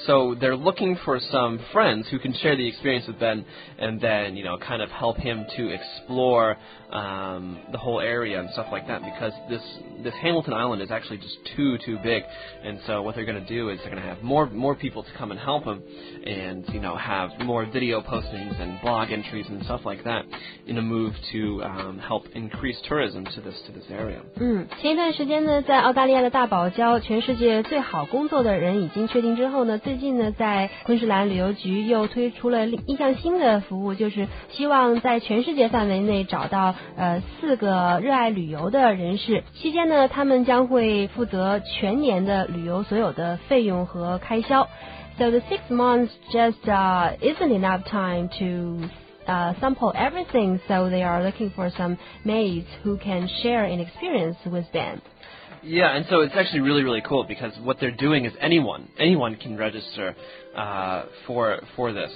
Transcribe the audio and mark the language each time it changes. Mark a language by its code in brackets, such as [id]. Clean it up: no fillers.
[en] So they're looking for some friends who can share the experience with Ben, and then, you know, kind of help him to explore the whole area and stuff like that, because this Hamilton Island is actually just too big. And so what they're gonna do is they're gonna have more people to come and help him, and, you know, have more video postings and blog entries and stuff like that in a move to help increase tourism to this area. [zh] 前一段时间呢，在澳大利亚的大堡礁，全世界最好工作的人已经确定之后呢，最近呢，在昆士兰旅游局又推出了一项新的服务，就是希望在全世界范围内找到四个热爱旅游的人士。期间呢，他们将会负责全年的旅游所有的费用和开销。 [en] So the 6 months just isn't enough time to sample everything, so they are looking for some mates who can share an experience with them. Yeah, and so it's actually really, really cool, because what they're doing is anyone can register for this.